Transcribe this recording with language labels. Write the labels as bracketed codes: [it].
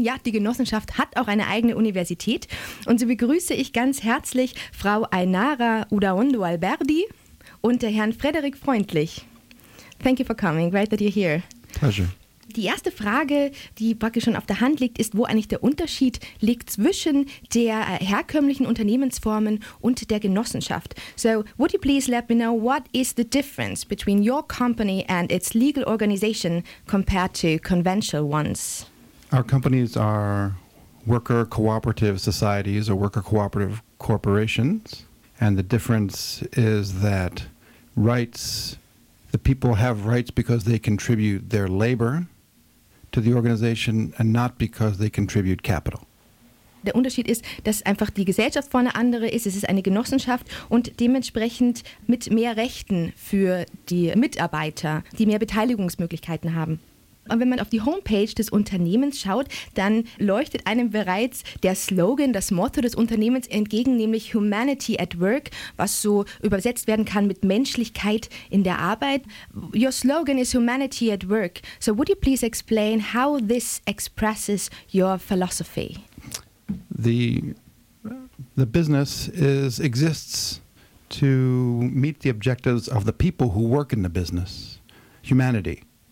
[de] Ja, die Genossenschaft hat auch eine eigene Universität. Und so begrüße ich ganz herzlich Frau Ainara Udaondo Alberdi und der Herrn Frederik Freundlich. [en] Thank you for coming. Great that you're here. Pleasure. [de] Die erste Frage, die praktisch schon auf der Hand liegt, ist, wo eigentlich der Unterschied liegt zwischen der herkömmlichen Unternehmensformen und der Genossenschaft. [en] So, would you please let me know, what is the difference between your company and its legal organization compared to conventional ones? Our companies are worker cooperative societies or worker cooperative corporations. And the difference is that the people have rights because they contribute their labor to the organization and not because they contribute capital. [de] Der Unterschied ist, dass einfach die Gesellschaft vor eine andere ist. Es ist eine Genossenschaft und dementsprechend mit mehr Rechten für die Mitarbeiter, die mehr Beteiligungsmöglichkeiten haben. Und wenn man auf die Homepage des Unternehmens schaut, dann leuchtet einem bereits der Slogan, das Motto des Unternehmens entgegen, nämlich Humanity at Work, was so übersetzt werden kann mit Menschlichkeit in der Arbeit. [en] Your slogan is Humanity at Work. So would you please explain how this expresses your philosophy? The business exists to meet the objectives of the people who work in the business, humanity.